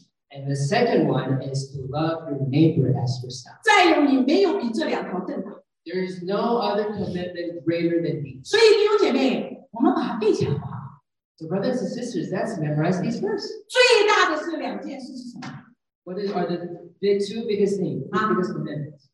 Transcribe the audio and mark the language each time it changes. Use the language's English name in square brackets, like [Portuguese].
[English] And the second one is to love your neighbor as yourself. [Chinese] 再有你没有比这两条更大。 [English] There is no other commitment greater than these. [Chinese] 所以弟兄姐妹，我们把它背起来好不好？ [English] So brothers and sisters, let's memorize these verses. [Chinese] 最大的是两件事是什么？ [English] What are the two biggest things? The biggest commitments.